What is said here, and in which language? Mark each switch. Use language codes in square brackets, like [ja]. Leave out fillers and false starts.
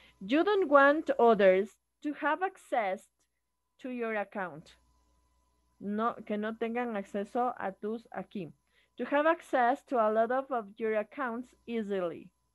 [en] You don't want others to have access to your account. [es] No, que no tengan acceso a tus aquí. [en] To have access to a lot of your accounts easily.